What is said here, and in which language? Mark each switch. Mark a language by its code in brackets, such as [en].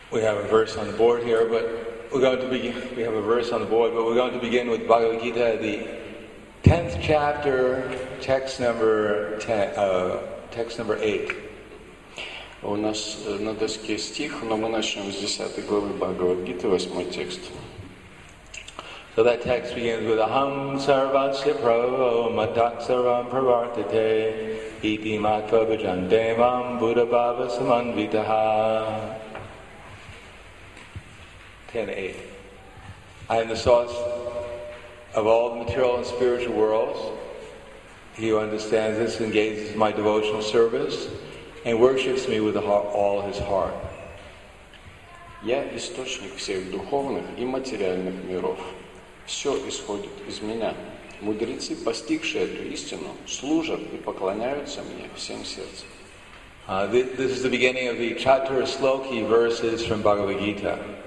[en] We have a verse on the board here, but we're going to begin. We have a verse on the board, but we're going to begin with Bhagavad Gita, the 10th chapter, text number 8. [ru] У нас на доске стих, но мы начнем с 10 главы Бхагавад Гиты, 8 текст. [en] So that text begins with [sa] Aham Sarvasya Prabho Madhaksaram Pravartate Iti Matva Bhajandevam Buddha Bhava Samanvitaha. [en] 10.8. I am the source of all the material and spiritual worlds. He who understands this engages in my devotional service and worships me with all his heart. [ru] Я источник всех духовных и материальных миров. Все исходит из меня. Мудрецы, постигшие эту истину, служат и поклоняются мне всем сердцем. [en] This is the beginning of the Chatur Sloki verses from Bhagavad Gita.